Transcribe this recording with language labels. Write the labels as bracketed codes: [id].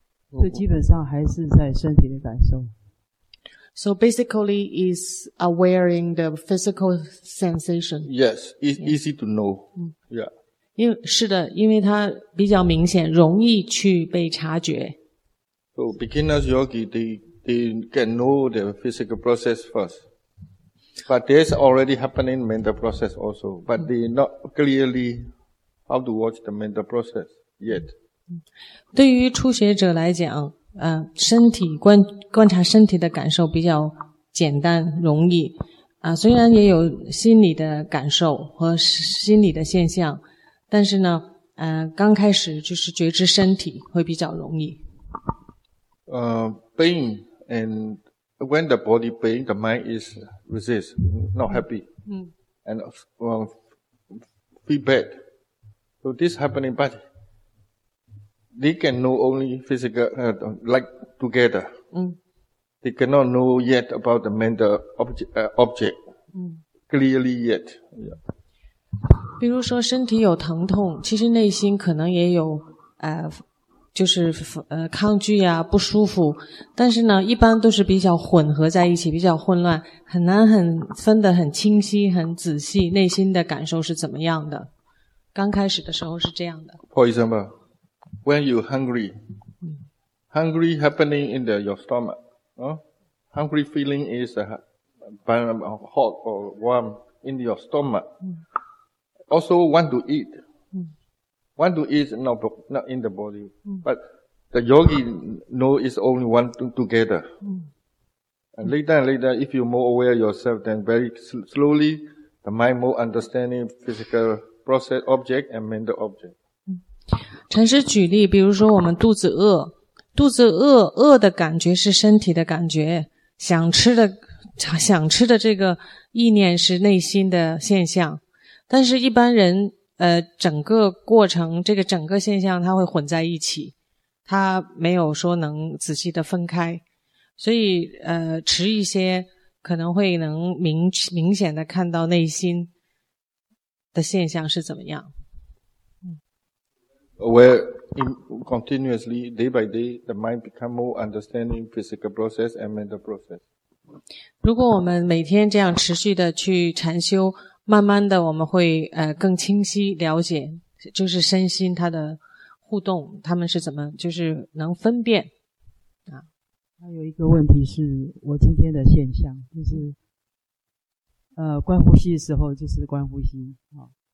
[zh] 所以基本上还是在身体的感受。 [en] So basically, is awareing the physical sensation. Yes, it's easy to know. Yeah. [zh] 是的，因为它比较明显，容易去被察觉。 [en] So beginners yogi, they can know the physical process first. But there's already happening mental process also. But they're not clearly how to watch the mental process yet. [zh] 对于初学者来讲，身体观察身体的感受比较简单容易，虽然也有心理的感受和心理的现象，但是呢，刚开始就是觉知身体会比较容易。 [en] Pain and when the body pain, the mind is resist, not happy. And feel bad. So this happening, but. They can know only physical, like together. They cannot know yet about the mental object, clearly yet. Yeah. [zh] 比如说身体有疼痛，其实内心可能也有就是抗拒啊，不舒服。但是呢，一般都是比较混合在一起，比较混乱，很难很分得很清晰、很仔细，内心的感受是怎么样的。刚开始的时候是这样的。 [en] For example. When you hungry happening in your stomach, hungry feeling is hot or warm in your stomach. Also want to eat not in the body, but the yogi know it's only one together. And later, if you more aware yourself, then very slowly, the mind more understanding physical process object and mental object. [zh] 禅师举例，比如说我们肚子饿的感觉是身体的感觉，想吃的想吃的这个意念是内心的现象，但是一般人整个过程这个整个现象它会混在一起，它没有说能仔细的分开，所以迟一些可能会能明显的看到内心的现象是怎么样。 [en] Continuously, day by day, the mind become more understanding physical process and mental process. [zh] 如果我们每天这样持续的去禅修，慢慢的我们会更清晰了解，就是身心它的互动，他们是怎么，就是能分辨。啊，还有一个问题是我今天的现象，就是观呼吸的时候就是观呼吸啊。